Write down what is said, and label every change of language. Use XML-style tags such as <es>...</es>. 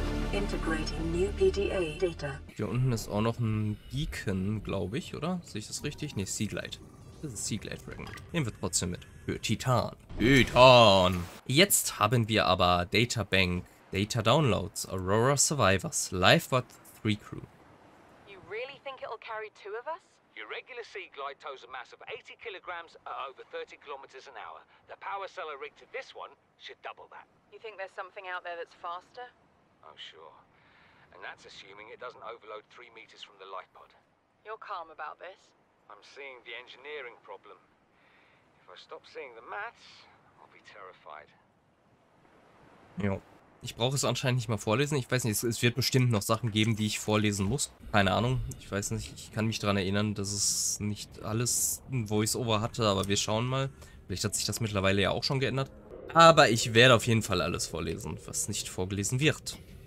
<de>Hier unten ist auch noch ein Beacon, glaube ich, oder? Sehe ich das richtig? Nee, Seaglide. Das ist Seaglide Fragment. Nehmen wir trotzdem mit. Für Titan. Titan! Jetzt haben wir aber Data Bank, Data Downloads, Aurora Survivors, LifePod 3 Crew.</de> <en>You really think it'll carry two of us? Your regular sea glide tows a mass of 80 kilograms at over 30 kilometers an hour. The power cell rigged to this one should double that. You think there's something out there that's faster? Oh, sure. And that's assuming it doesn't overload 3 meters from the LifePod. You're calm about this. I'm seeing the engineering problem. If I stop seeing the maths, I'll be terrified.</en> <de>Jo. Ich brauche es anscheinend nicht mal vorlesen. Ich weiß nicht, es wird bestimmt noch Sachen geben, die ich vorlesen muss. Keine Ahnung. Ich weiß nicht, ich kann mich daran erinnern, dass es nicht alles ein Voice-Over hatte, aber wir schauen mal. Vielleicht hat sich das mittlerweile ja auch schon geändert. Aber ich werde auf jeden Fall alles vorlesen, was nicht vorgelesen wird.</de>